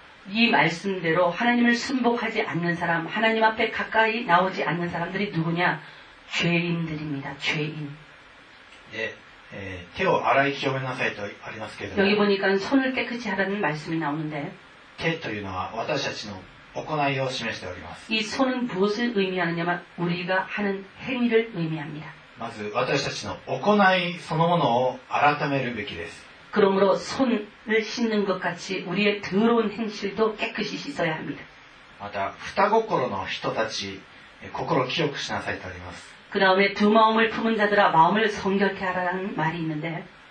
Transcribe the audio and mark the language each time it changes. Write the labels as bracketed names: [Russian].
[Korean] 이말씀대로하나님을순복하지않는사람하나님앞에가까이나오지않는사람들이누구냐죄인들입니다죄인 [Japanese] 네手を洗い清めなさいとありますけれども [Korean] 여기보니까손을깨끗이하라는말씀이나오는데 [Japanese] 手というのは私たちの行いを示しております [Korean] 이손은무엇을의미하느냐면우리가하는행위를의미합니다 [Japanese] まず私たちの行いそのものを改めるべきです [Korean] 그러므로손을씻는것같이우리의더러운행실도깨끗이씻어야합니다 [Japanese] また双心の人たち心を清くしなさいとあります [Korean] 그다음에두마음을품은자들아마음을성결케하라는말이있는데